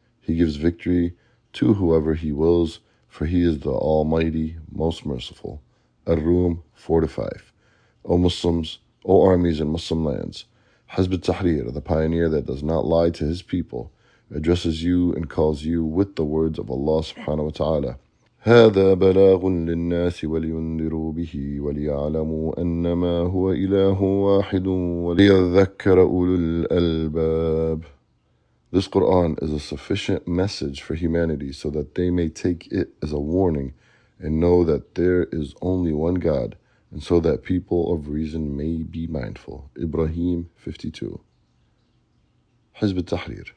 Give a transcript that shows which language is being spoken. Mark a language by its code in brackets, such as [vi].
[en] He gives victory to whoever He wills, for He is the Almighty, Most Merciful. Ar-Rum 4-5. O Muslims, O armies in Muslim lands, Hizb al-Tahrir, the pioneer that does not lie to his people, addresses you and calls you with the words of Allah subhanahu wa ta'ala. [ar] هذا بلاغ للناس ولينذروا به وليعلموا أنما هو إله واحد وليذكر أولو الألباب. [en] This Quran is a sufficient message for humanity so that they may take it as a warning and know that there is only one God, and so that people of reason may be mindful. Ibrahim 52. Hizb al-Tahrir.